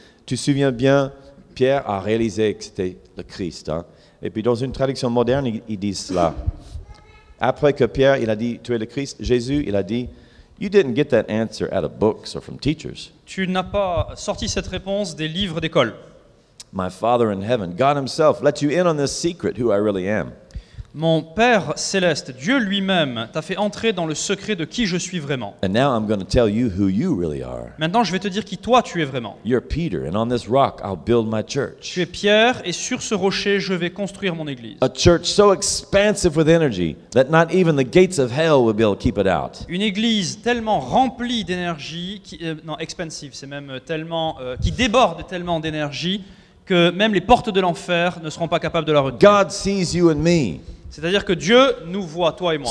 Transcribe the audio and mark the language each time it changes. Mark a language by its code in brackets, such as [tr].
[fr] Tu te souviens bien, Pierre a réalisé que c'était le Christ. Hein? Et puis dans une traduction moderne, il dit cela. Après que Pierre, il a dit, tu es le Christ, Jésus, il a dit, [en] you didn't get that answer out of books or from teachers. [fr] Tu n'as pas sorti cette réponse des livres d'école. [en] My Father in heaven, God himself, let you in on this secret who I really am. [fr] Mon Père céleste, Dieu lui-même, t'a fait entrer dans le secret de qui je suis vraiment. [en] And now I'm going to tell you who you really are. [fr] Maintenant, je vais te dire qui toi tu es vraiment. [en] You're Peter, and on this rock I'll build my church. [fr] Tu es Pierre, et sur ce rocher, je vais construire mon église. [en] A church so expansive with energy that not even the gates of hell will be able to keep it out. [fr] Une église tellement remplie d'énergie, qui déborde tellement d'énergie que même les portes de l'enfer ne seront pas capables de la retenir. [en] God sees you and me. [fr] C'est-à-dire que Dieu nous voit, toi et moi,